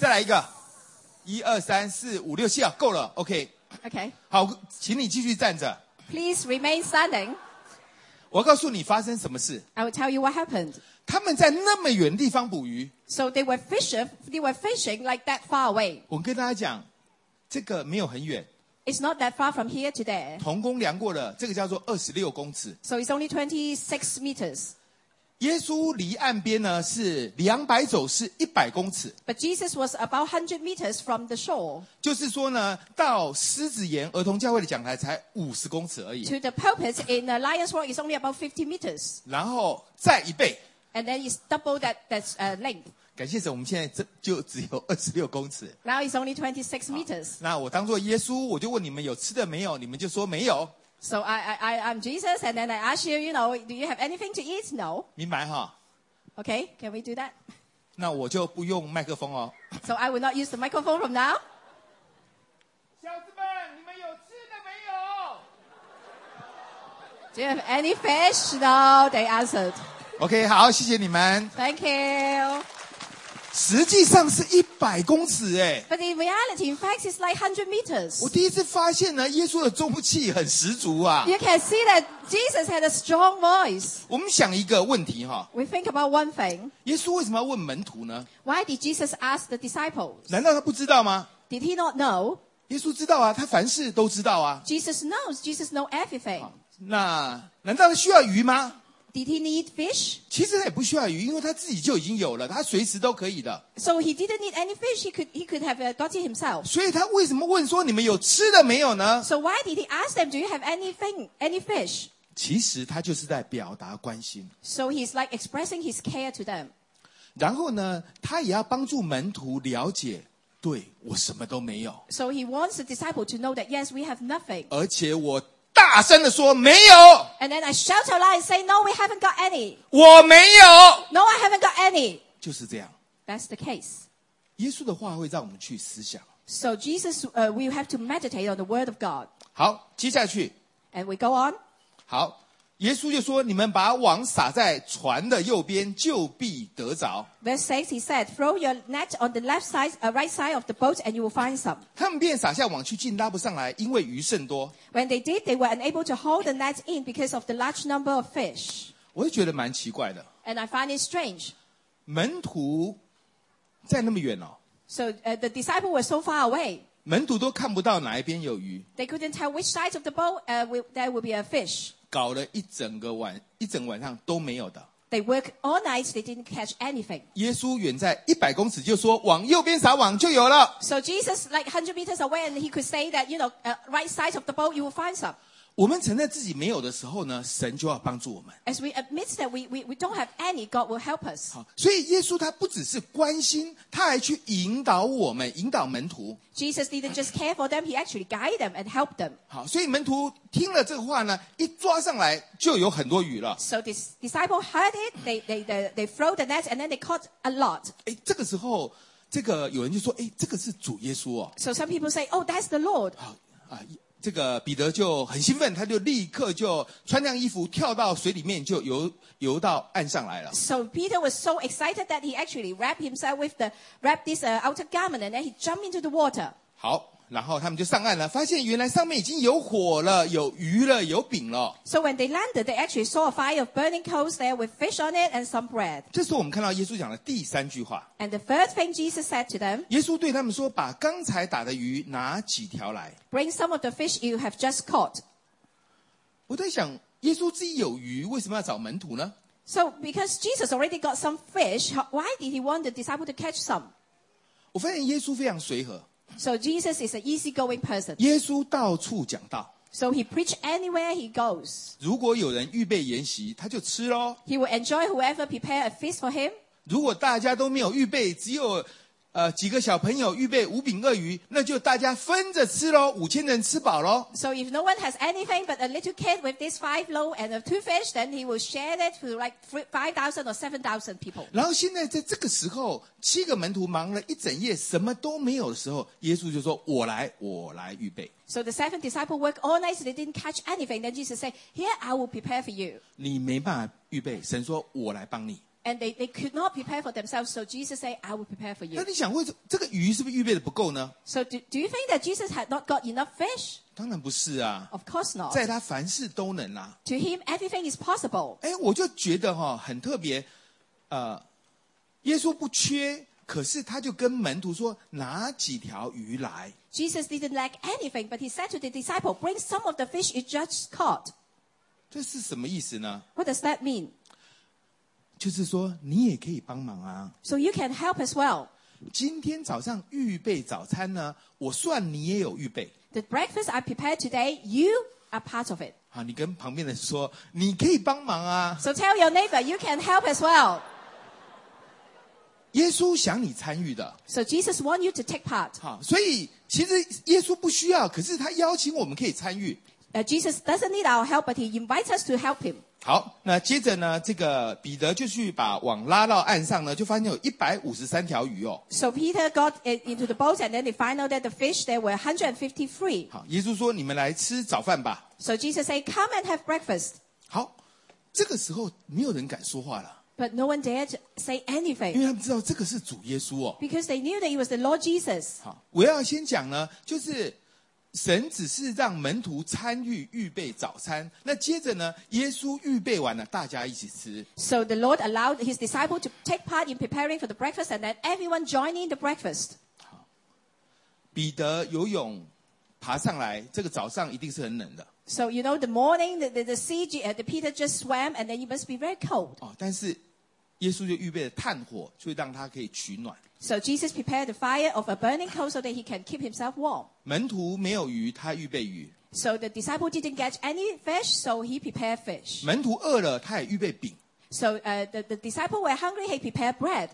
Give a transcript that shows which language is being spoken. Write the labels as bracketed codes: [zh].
[zh] 再来一个，一二三四五六七啊，够了 ，OK。 [en] OK。 [zh] 好，请你继续站着。 [en] Please remain standing. [zh] 我告诉你发生什么事。 [en] I will tell you what happened. [zh] 他们在那么远地方捕鱼。 [en] So they were fishing like that far away. [zh] 我跟大家讲，这个没有很远。 [en] It's not that far from here to there. [zh] 童工量过了，这个叫做26公尺。 [en] So it's only 26 meters. [zh] 耶稣离岸边呢是200肘，是100公尺。 [en] But Jesus was about 100 meters from the shore. [zh] 就是说呢，到狮子岩儿童教会的讲台才50公尺而已。 [en] To the pulpit in the Lion's Roar is only about 50 meters. [zh] 然后再一倍。 [en] And then it's double that length. [zh] 感谢神，我们现在就只有26公尺。 [en] Now it's only 26 meters. [zh] 那我当作耶稣，我就问你们有吃的没有，你们就说没有。 [en] So I'm Jesus, and then I ask you, you know, do you have anything to eat? No. [zh] 明白哈。 [en] Okay, can we do that? [zh] 那我就不用麦克风哦。 [en] So I will not use the microphone from now. [zh] 小子们，你们有吃的没有？ [en] Do you have any fish? No, they answered. [zh] Okay, 好，谢谢你们。 [en] Thank you. [zh] 实际上是100公尺耶。 [en] But in reality, in fact, it's like 100 meters. [zh] 我第一次发现呢，耶稣的重气很十足啊。 [en] You can see that Jesus had a strong voice. [zh] 我们想一个问题哈。 [en] We think about one thing. [zh] 耶稣为什么要问门徒呢？ [en] Why did Jesus ask the disciples? [zh] 难道他不知道吗？ [en] Did he not know? [zh] 耶稣知道啊，他凡事都知道啊。 [en] Jesus knows. Jesus knows everything. [zh] 那难道他需要鱼吗？ [en] Did he need fish? [zh] 其实他也不需要鱼，因为他自己就已经有了，他随时都可以的。 [en] So he didn't need any fish. He could have got it himself. [zh] 所以他为什么问说你们有吃的没有呢？ [en] So why did he ask them, "Do you have anything, any fish?" [zh] 其实他就是在表达关心。 [en] So he's like expressing his care to them. [zh] 然后呢，他也要帮助门徒了解，对我什么都没有。 [en] So he wants the disciple to know that yes, we have nothing. [zh] 而且我。大声地说没有 [en] And then I shout out loud and say No, we haven't got any [zh] 我没有 [en] No, I haven't got any [zh] 就是这样 [en] That's the case [zh] 耶稣的话会让我们去思想 [en] So Jesus, we have to meditate on the word of God [zh] 好接下去 [en] And we go on [zh] 好耶稣就说你们把网撒在船的右边就必得着 [en] Verse 6 he said Throw your net on the left side, right side of the boat and you will find some [zh] 他们便撒下网去竟拉不上来因为鱼甚多 [en] When they did they were unable to hold the net in because of the large number of fish [zh] 我就觉得蛮奇怪的 [en] And I find it strange [zh] 门徒在那么远哦 [en] So the disciples were so far away [zh] 门徒都看不到哪一边有鱼。 [en] They couldn't tell which side of the boat there would be a fish. [zh] 搞了一整个晚，一整晚上都没有的。 [en] They worked all night. They didn't catch anything. [zh] 耶稣远在100公尺就说往右边撒网就有了。 [en] So Jesus like 100 meters away and he could say that, you know, right side of the boat, you will find some. [zh] 我们承认自己没有的时候呢，神就要帮助我们。 [en] As we admit that we don't have any, God will help us. [zh] 所以耶稣他不只是关心，他还去引导我们，引导门徒。 [en] Jesus didn't just care for them, he actually guided them and helped them. [zh] 好，所以门徒听了这个话呢，一抓上来就有很多鱼了。 [en] So this disciple heard it, they throw the net and then they caught a lot. [zh] 哎，这个时候，这个有人就说，哎，这个是主耶稣哦。 [en] So some people say, oh, that's the Lord. [zh] 这个彼得就很兴奋，他就立刻就穿上衣服，跳到水里面，就游到岸上来了。 [en] So Peter was so excited that he actually wrapped himself with the outer garment, and then he jumped into the water. [zh] 好，然后他们就上岸了，发现原来上面已经有火了，有鱼了，有饼了。 [en] So when they landed, they actually saw a fire of burning coals there with fish on it and some bread. [zh] 这是我们看到耶稣讲的第三句话。 [en] And the third thing Jesus said to them. [zh] 耶稣对他们说：“把刚才打的鱼拿几条来。” [en] Bring some of the fish you have just caught. [zh] 我在想，耶稣自己有鱼，为什么要找门徒呢？ [en] So because Jesus already got some fish, why did he want the disciple to catch some? [zh] 我发现耶稣非常随和。 [en] So Jesus is an easygoing person. [zh] 耶稣到处讲道。 [en] So he preached anywhere he goes. [zh] 如果有人预备筵席，他就吃咯。 [en] He will enjoy whoever prepared a feast for him. [zh] 如果大家都没有预备，只有几个小朋友预备五饼二鱼，那就大家分着吃咯，五千人吃饱咯。 [en] So if no one has anything but a little kid with this five loaves and two fish, then he will share it to like 5,000 or 7,000 people. [zh] 然后现在在这个时候，七个门徒忙了一整夜，什么都没有的时候，耶稣就说：“我来，我来预备。” [en] So the seven disciples worked all night, they didn't catch anything. Then Jesus said, "Here I will prepare for you." [zh] 你没办法预备，神说：“我来帮你。” [en] And they could not prepare for themselves, so Jesus said, I will prepare for you. [zh] 那你想问，这个鱼是不是预备的不够呢？ [en] So do you think that Jesus had not got enough fish? [zh] 当然不是啊。 [en] Of course not. [zh] 在他凡事都能啊。 [en] To him, everything is possible. [zh] 诶，我就觉得哦，很特别，耶稣不缺，可是他就跟门徒说，拿几条鱼来。 [en] Jesus didn't lack anything, but he said to the disciple, bring some of the fish you just caught. [zh] 这是什么意思呢？ [en] What does that mean? [zh] 就是说你也可以帮忙啊。 [en] So you can help as well. [zh] 今天早上预备早餐呢，我算你也有预备。 [en] The breakfast I prepared today, you are part of it. [zh] 好，你跟旁边的说，你可以帮忙啊。 [en] So tell your neighbor, you can help as well. [zh] 耶稣想你参与的。 [en] So Jesus want you to take part. [zh] 好，所以其实耶稣不需要，可是他邀请我们可以参与。 [en] Jesus doesn't need our help, but he invites us to help him. [zh] 好，那接着呢，这个彼得就去把网拉到岸上呢，就发现有153条鱼哦。 [en] So Peter got into the boat, and then they found out that the fish there were 153. [zh] 好，耶稣说你们来吃早饭吧。 [en] So Jesus said, come and have breakfast. [zh] 好，这个时候没有人敢说话了。 [en] But no one dared say anything. [zh] 因为他们知道这个是主耶稣哦。 [en] Because they knew that it was the Lord Jesus. [zh] 好，我要先讲呢，就是神只是让门徒参与预备早餐，那接着呢，耶稣预备完了，大家一起吃。 [en] So the Lord allowed his disciple to take part in preparing for the breakfast, and then everyone joining the breakfast. [zh] 彼得游泳爬上来，这个早上一定是很冷的。 [en] So you know the morning the sea the Peter just swam, and then it must be very cold. [zh] 哦，但是耶稣就预备了炭火，就让他可以取暖。 [en] So Jesus prepared the fire of a burning coal so that he can keep himself warm. [zh] 门徒没有鱼，他预备鱼。 [en] So the disciple didn't get any fish, so he prepared fish. [zh] 门徒饿了，他也预备饼。 [en] So the disciple were hungry, he prepared bread.